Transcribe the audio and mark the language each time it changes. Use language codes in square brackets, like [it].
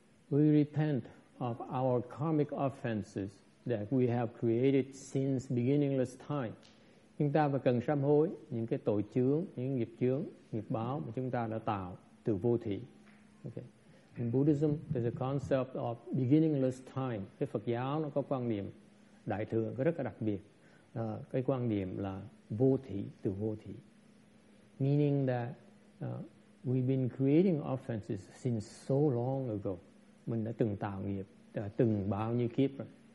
[en] We repent of our karmic offenses that we have created since beginningless time. [vi] Chúng ta phải cần sám hối những cái tội chướng, những nghiệp chướng, nghiệp báo mà chúng ta đã tạo từ vô thủy. Okay. [en] In Buddhism, there's a concept of beginningless time. [vi] Cái Phật giáo nó có quan điểm đại thừa rất là đặc biệt. Cái quan điểm là vô thủy, từ vô thủy. [en] Meaning that we've been creating offenses since so long ago. [vi] Mình đã từng tạo nghiệp, đã từng bao nhiêu kiếp rồi.